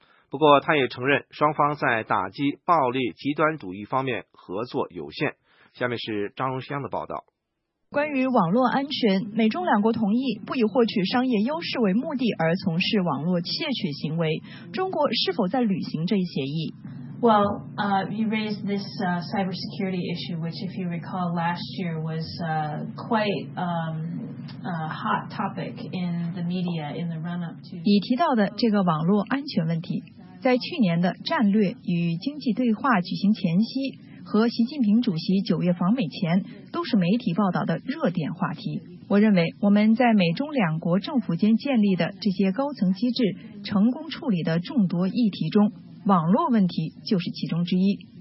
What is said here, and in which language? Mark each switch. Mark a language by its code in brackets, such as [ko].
[zh] 不过他也承认双方在打击暴力极端主义方面合作有限。下面是张荣香的报道。关于网络安全，美中两国同意不以获取商业优势为目的而从事网络窃取行为，中国是否在履行这一协议？ [en] Well, you raised this cybersecurity issue, which if you recall last year was quite hot topic in the media in the run up to. [zh] 已提到的这个网络安全问题，在去年的战略与经济对话举行前夕和习近平主席九月访美前，都是媒体报道的热点话题。我认为我们在美中两国政府间建立的这些高层机制成功处理的众多议题中，网络问题就是其中之一。